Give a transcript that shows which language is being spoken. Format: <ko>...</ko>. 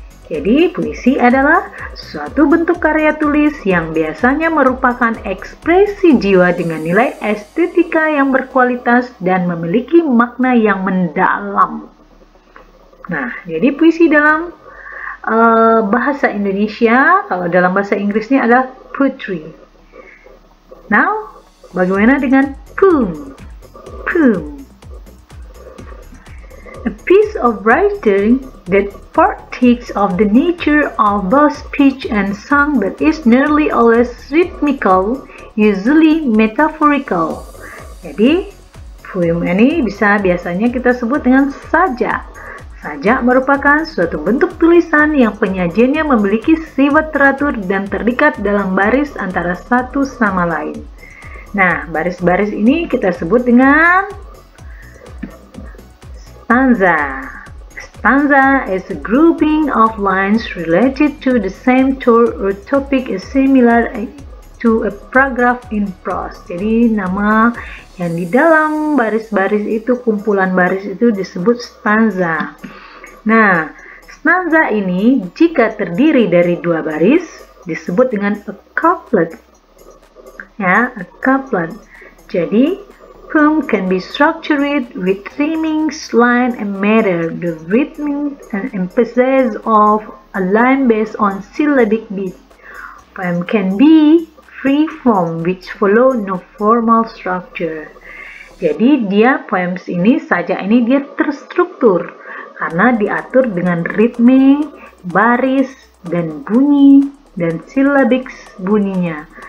<id>Jadi, puisi adalah suatu bentuk karya tulis yang biasanya merupakan ekspresi jiwa dengan nilai estetika yang berkualitas dan memiliki makna yang mendalam. Nah, jadi puisi dalam bahasa Indonesia, kalau dalam bahasa Inggrisnya adalah poetry.</id> <en>Now,</en> <id>bagaimana dengan poem?</id> <en>Poem. A piece of writing that partakes of the nature of both speech and song but is nearly always rhythmical, usually metaphorical.</en> <id>Jadi, poem ini bisa biasanya kita sebut dengan sajak. Sajak merupakan suatu bentuk tulisan yang penyajiannya memiliki sifat teratur dan terikat dalam baris antara satu sama lain. Nah, baris-baris ini kita sebut dengan stanza.</id> <en>Stanza is a grouping of lines related to the same tour or topic is similar to a paragraph in prose.</en> <id>Jadi, nama yang di dalam baris-baris itu, kumpulan baris itu disebut stanza. Nah, stanza ini jika terdiri dari dua baris disebut dengan a couplet. Ya,</id> <en>a couplet.</en> <id>Jadi,</id> <en>poem can be structured with rhyming line and meter. The rhythm and emphasis of a line based on syllabic beat. Poem can be free form which follow no formal structure.</en> <id>Jadi, dia poems ini, sajak ini dia terstruktur. Karena diatur dengan ritme, baris, dan bunyi, dan syllabic bunyinya.</id>